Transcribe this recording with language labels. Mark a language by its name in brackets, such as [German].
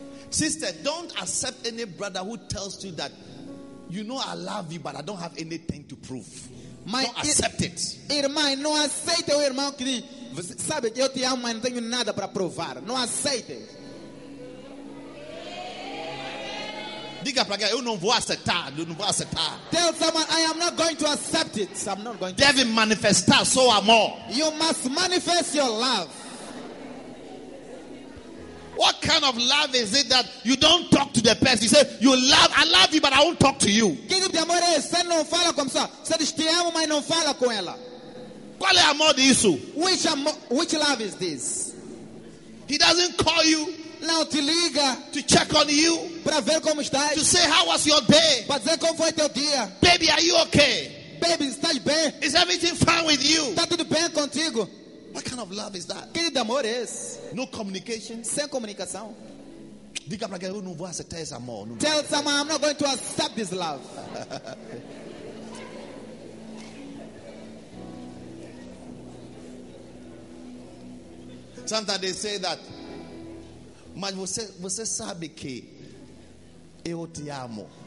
[English] Sister, don't accept any brother who tells you that, you know, I love you, but I don't have anything to prove. [Portuguese] Mas [English] don't accept it. [Portuguese] Irmã, não aceite o irmão que diz, sabe que eu te amo, mas não tenho nada para provar. Não aceite. Diga para alguém, eu não vou aceitar. [English] Tell someone, I am not going to accept it. I'm not going to. [Portuguese] Deve manifestar seu amor. [English] You must manifest your love. What kind of love is it that you don't talk to the person? You say, I love you, but I won't talk to you. [Portuguese] Que tipo de amor é esse? Não fala com ela. Você diz, te amo, mas não fala com ela. Qual é amor disso? [English] Which love is this? He doesn't call you. [Portuguese] Não te liga. [English] To check on you. [Portuguese] Para ver como estás. [English] To say, how was your day? [Portuguese] Para dizer como foi teu dia. [English] Baby, are you okay? [Portuguese] Baby, estás bem? [English] Is everything fine with you? [Portuguese] Está tudo bem contigo? [English] What kind of love is that? [Portuguese] Que tipo de amor é esse? [English] No communication. [Portuguese] Sem comunicação. Diga para que eu não vou aceitar esse amor. Não. [English] Tell someone, I'm not going to accept this love. Sometimes they say that. [Portuguese] Mas você sabe que eu te amo.